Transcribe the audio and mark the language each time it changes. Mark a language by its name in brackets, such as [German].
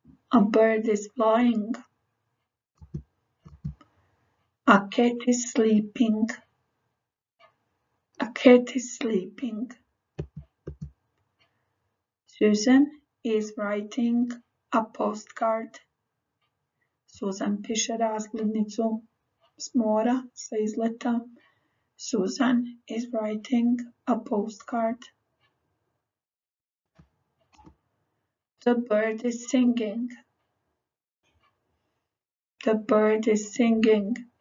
[English] A bird is flying. A cat is sleeping. A cat is sleeping. Susan is writing a postcard. [Croatian] Susan piše razglednicu s mora, sa izleta. [English] Susan is writing a postcard. The bird is singing. The bird is singing.